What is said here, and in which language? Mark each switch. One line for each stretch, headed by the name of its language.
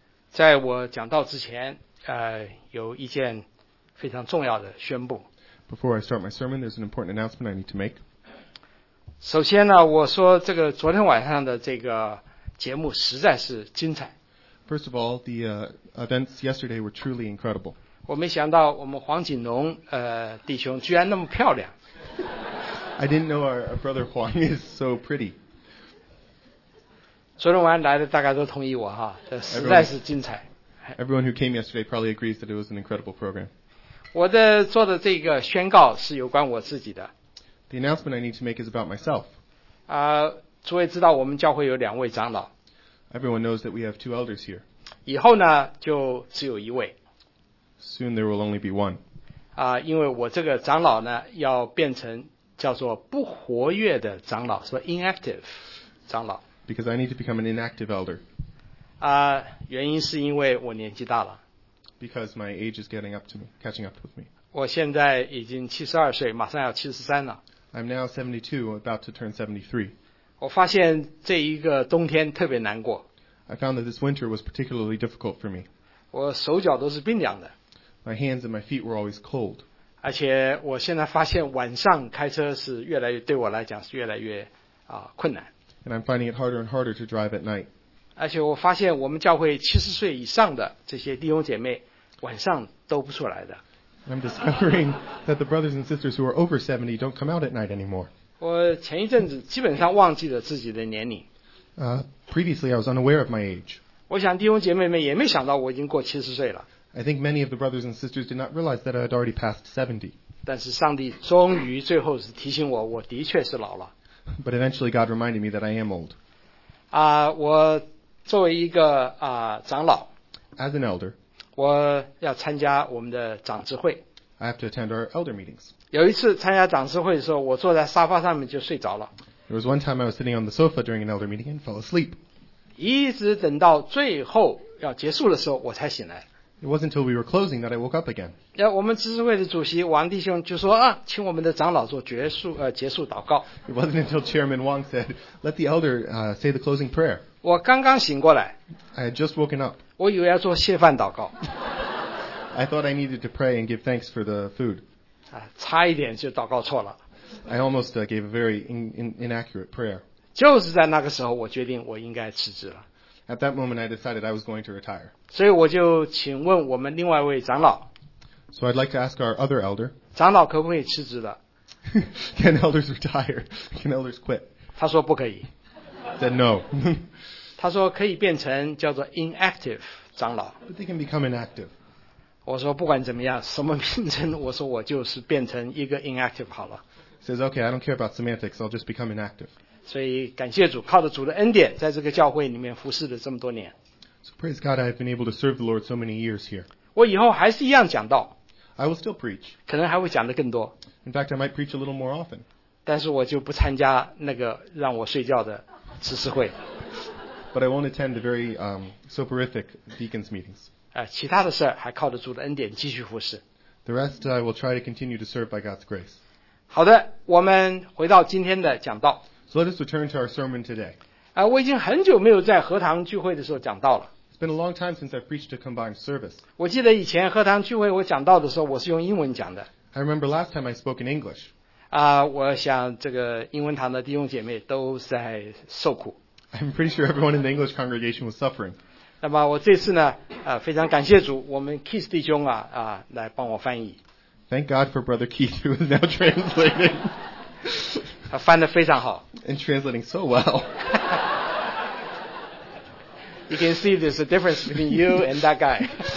Chinese: 在我讲到之前，有一件非常重要的宣布。
English: Before I start my sermon, there's an important announcement I need to make.
Chinese: 首先呢，我说这个昨天晚上的这个节目实在是精彩。
English: First of all, the events yesterday were truly incredible.
Chinese: 我没想到我们黄锦龙弟兄居然那么漂亮。
English: I didn't know our brother Huang is so pretty.
Chinese: 昨天晚上来的大概都同意我哈，这实在是精彩。
English: Everyone who came yesterday probably agrees that it was an incredible program.
Chinese: 我的做的这个宣告是有关我自己的。
English: The announcement I need to make is about myself.
Chinese: 诸位知道我们教会有两位长老。
English: Everyone knows that we have two elders here.
Chinese: 以后呢就只有一位。
English: Soon there will only be one.
Chinese: 因为我这个长老呢要变成叫做不活跃的长老，说 inactive 长老。
English: Because I need to become an inactive elder.
Chinese: 原因是因为我年纪大了。
English: Because my age is getting up to me, catching up with me.
Chinese: 我现在已经72岁，马上要73了。
English: I'm now 72, about to turn 73.
Chinese: 我发现这一个冬天特别难过。
English: I found that this winter was particularly difficult for me.
Chinese: 我手脚都是冰凉的。
English: My hands and my feet were always cold.
Chinese: 而且我现在发现晚上开车是越来越对我来讲是越来越困难。
English: And I'm finding it harder and harder to drive at night.
Chinese: 而且我发现我们教会70岁以上的这些弟兄姐妹晚上都不出来的。
English: I'm discovering that the brothers and sisters who are over 70 don't come out at night anymore.
Chinese: 我前一阵子基本上忘记了自己的年龄。
English: Previously, I was unaware of my age.
Chinese: 我想弟兄姐妹们也没想到我已经过70岁了。
English: I think many of the brothers and sisters did not realize that I had already passed 70.
Chinese: 但是上帝终于最后是提醒我，我的确是老了。
English: But eventually, God reminded me that I am old.
Chinese: 我作为一个长老
English: ，As an elder,
Chinese: 我要参加我们的长执会。
English: I have to attend our elder meetings.
Chinese: 有一次参加长执会的时候，我坐在沙发上面就睡着了。
English: There was one time I was sitting on the sofa during an elder meeting and fell asleep.
Chinese: 一直等到最后要结束的时候，我才醒来。
English: It wasn't until we were closing that I woke up again.
Chinese: 我们执事会的主席王弟兄就说请我们的长老做结束祷告。
English: It wasn't until Chairman Wang said, let the elder say the closing prayer.
Chinese: 我刚刚醒过来。
English: I had just woken up.
Chinese: 我以为要做谢饭祷告。
English: I thought I needed to pray and give thanks for the food.
Chinese: 差一点就祷告错了。
English: I almost gave a very inaccurate prayer.
Chinese: 就是在那个时候我决定我应该辞职了。
English: At that moment I decided I was going to retire.
Chinese: 所以我就请问我们另外一位长老。
English: So I'd like to ask our other elder.
Chinese: 长老可不可以辞职了?
English: Can elders retire? Can elders quit?
Chinese: 他说不可以。
English: Said no.
Chinese: 他说可以变成叫做 inactive 长老。
English: But they can become inactive.
Chinese: 我说不管怎么样，什么名称，我说我就是变成一个 inactive 好了。
English: Says okay, I don't care about semantics, I'll just become inactive.
Chinese: 所以感谢主，靠着主的恩典，在这个教会里面服侍了这么多年。
English: So praise God, I've been able to serve the Lord so many years here.
Chinese: 我以后还是一样讲道。
English: I will still preach.
Chinese: 可能还会讲得更多。
English: In fact, I might preach a little more often.
Chinese: 但是我就不参加那个让我睡觉的执事会。
English: But I won't attend the very soporific deacons meetings.
Chinese: 其他的事还靠得住的恩典继续服侍。
English: The rest I will try to continue to serve by God's grace.
Chinese: 好的，我们回到今天的讲道。
English: So let us return to our sermon today.
Chinese: 我已经很久没有在合堂聚会的时候讲道了。
English: It's been a long time since I've preached a combined service.
Chinese: 我记得以前合堂聚会我讲道的时候，我是用英文讲的。
English: I remember last time I spoke in English.
Chinese: 我想这个英文堂的弟兄姐妹都在受苦。
English: I'm pretty sure everyone in the English congregation was suffering.
Chinese: 那么我这次呢，非常感谢主，我们 Keith 弟兄来帮我翻译。
English: Thank God for Brother Keith who is now translating.
Chinese: 他翻得非常好。
English: And translating so well. You can see there's a difference between you and that guy.